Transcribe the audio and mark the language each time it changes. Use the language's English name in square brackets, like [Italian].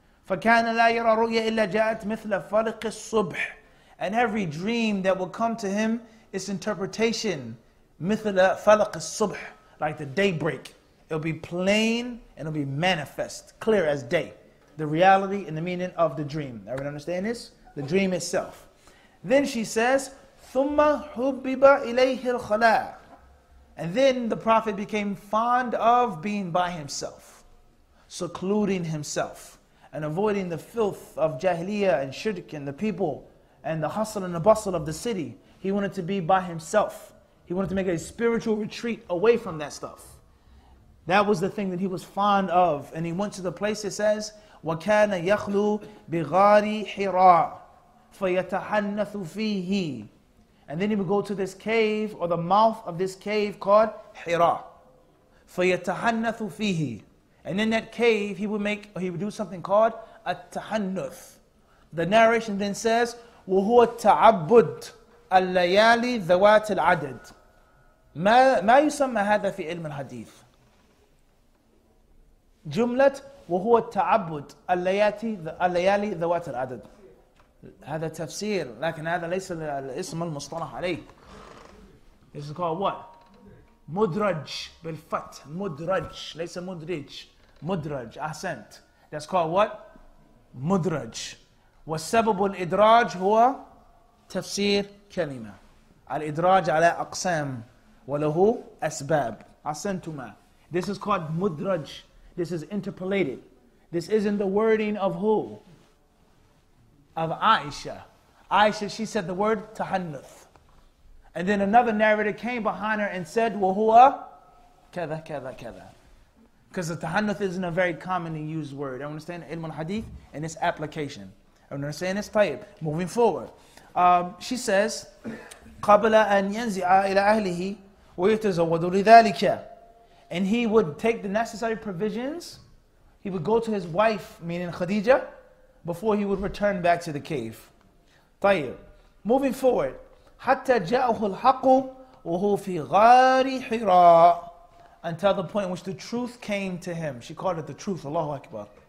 [Arabic] فَكَانَ لَا يَرَى رُؤْيَا إِلَّا جَاءَتْ مِثْلَ فَلِقِ الصُّبْحِ. [English] And every dream that will come to him, its interpretation, [Arabic] مِثْلَ فَلَقِ الصُّبْحِ, [English] like the daybreak. It'll be plain and it'll be manifest, clear as day. The reality and the meaning of the dream. Everyone understand this? The dream itself. Then she says, [Arabic] ثُمَّ حُبِّبَ إِلَيْهِ الْخَلَىٰ. [English] And then the Prophet became fond of being by himself, secluding himself, and avoiding the filth of Jahiliyyah and Shirk and the people and the hustle and the bustle of the city. He wanted to be by himself. He wanted to make a spiritual retreat away from that stuff. That was the thing that he was fond of. And he went to the place, it says, [Arabic] وَكَانَ يَخْلُو بِغَارِ حِرَىٰ فَيَتَحَنَّثُ فِيهِ. [English] And then he would go to this cave, or the mouth of this cave called [Arabic] حِرَىٰ فَيَتَحَنَّثُ فِيهِ. [English] And in that cave, he would do something called التحنث. The narration then says, [Arabic] وَهُوَ التَّعَبُّدُ اللَّيَالِ ذَوَاتِ الْعَدَدِ. مَا يُسَمَّ هَذَا فِي عِلْمِ الْحَدِيثِ. جملة وهو التعبد اللياتي الليالي ذوات العدد. هذا تفسير لكن هذا ليس الاسم المصطلح عليه. [English] This is called what? [Arabic] مدرج بالفتح. مدرج ليس مدرج. مدرج أحسنت. [English] That's called what? [Arabic] مدرج. والسبب الإدراج هو تفسير كلمة. الإدراج على أقسام وله أسباب. أحسنتما. [English] This is called مدرج. This is interpolated. This isn't the wording of who? Of Aisha. Aisha, she said the word tahannuth. And then another narrator came behind her and said, [Arabic] wahua, kada, kada, kada. [English] Because the tahannuth isn't a very commonly used word. I understand ilm al-hadith and its application. I understand this tayyib. Moving forward. She says, [Arabic] قَبْلَ أَنْ يَنْزِعَ إِلَىٰ أَهْلِهِ وَيَتَزَوَّدُ لِذَلِكَ. [English] And he would take the necessary provisions. He would go to his wife, meaning Khadija, before he would return back to the cave. [Arabic] طيب. [English] Moving forward. [Arabic] حَتَّى جَاءُهُ الْحَقُّ وَهُ فِي غَارِ حِرَىٰ. [English] Until the point in which the truth came to him. She called it the truth, Allahu Akbar.